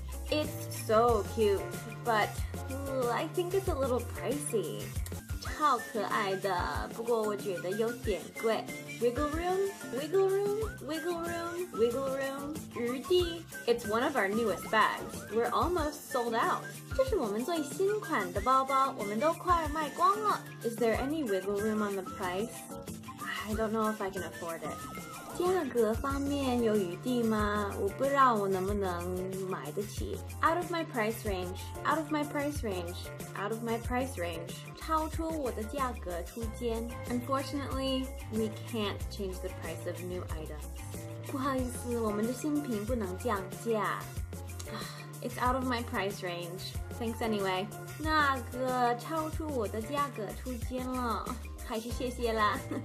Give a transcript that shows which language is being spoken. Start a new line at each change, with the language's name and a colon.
English: It's so cute, but I think it's a little pricey.
Chinese: 超可爱的，不过我觉得有点贵。
English: Wiggle room, wiggle room, wiggle room, wiggle room, 余地。 It's one of our newest bags. We're almost sold out.
Chinese: 这是我们最新款的包包，我们都快卖光了。
English: Is there any wiggle room on the price? I don't know if I can afford it.
Chinese: 价格方面有余地吗？我不知道我能不能买得起。
English: Out of my price range, out of my price range, out of my price range.
Chinese: 超出我的价格区间。
English: Unfortunately, we can't change the price of new items.
Chinese: 不好意思，我们的新品不能降价。
English: It's out of my price range. Thanks anyway.
Chinese: 那个超出我的价格区间了，还是谢谢啦。